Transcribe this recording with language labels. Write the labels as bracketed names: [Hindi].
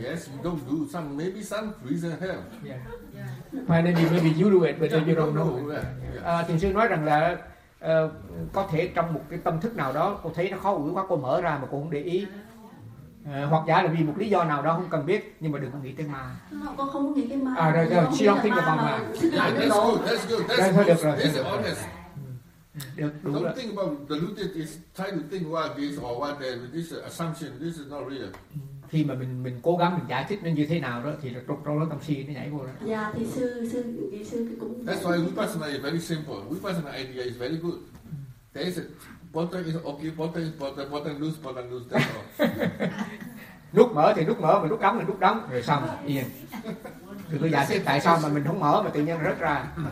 [English] Yes, you don't do some, maybe some reason have. Yeah. Yeah. Finally, maybe you do it, but then you don't know. [Vietnamese] Thiền sư nói rằng là có thể trong một cái tâm thức nào đó cô thấy nó khó ủi quá, cô mở ra mà cô không để ý. Hoặc giả là vì một lý do nào đó không cần biết, nhưng mà đừng có nghĩ tới ma. Con không nghĩ tới ma. À rồi, rồi. [English] She don't think about ma. That's good. [Vietnamese] Được rồi. [English] This is honest. Don't think about the lucid is trying to think what this or what that. This is assumption. This is not real. [Vietnamese] Khi mà mình cố gắng mình giải thích nó như thế nào đó thì trong đó tâm si nó nhảy vô đó. Dạ, thì sư [English] cũng. That's why Vipassana is very simple. Vipassana idea is very good. There is a bottom is okay, bottom is bottom loose, that's all. [Vietnamese] Nút mở thì nút mở, mà nút đóng thì nút đóng, rồi xong, yên. Thì tôi giải thích tại sao mà mình không mở mà tự nhiên rớt ra.